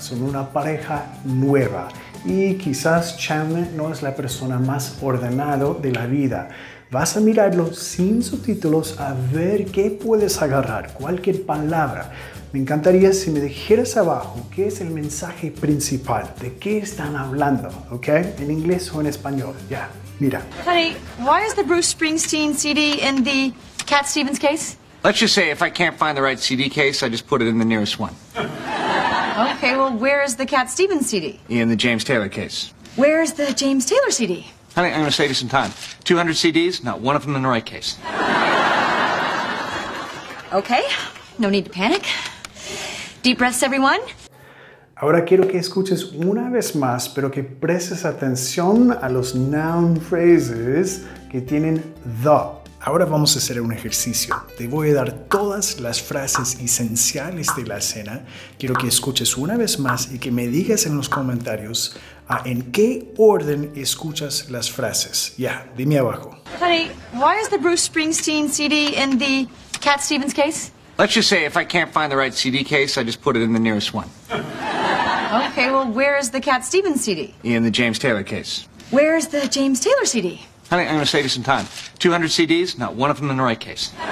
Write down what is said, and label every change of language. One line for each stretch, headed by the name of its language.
Spanish: Son una pareja nueva y quizás Chandler no es la persona más ordenada de la vida. Vas a mirarlo sin subtítulos a ver qué puedes agarrar, cualquier palabra. Me encantaría si me dijeras abajo qué es el mensaje principal, de qué están hablando, ¿ok? En inglés o en español, ya, mira.
English: Honey, why is the Bruce Springsteen CD in the Cat Stevens case? Let's just say if I can't find the right CD case, I just put it in the nearest one. Okay, well, where is the Cat Stevens CD? In the James Taylor case. Where is the James Taylor CD? Honey, I'm going to save you some time. 200 CDs, not one of them in the right case. Okay, no need to panic. Deep breaths, everyone.
Spanish: Ahora quiero que escuches una vez más, pero que prestes atención a los noun phrases que tienen the. Ahora vamos a hacer un ejercicio. Te voy a dar todas las frases esenciales de la escena. Quiero que escuches una vez más y que me digas en los comentarios en qué orden escuchas las frases. Ya, dime abajo.
English: Honey, why is the Bruce Springsteen CD in the Cat Stevens case? Let's just say if I can't find the right CD case, I just put it in the nearest one. Okay, well, where is the Cat Stevens CD? In the James Taylor case. Where is the James Taylor CD? Honey, I'm going to save you some time. 200 CDs, not one of them in the right case.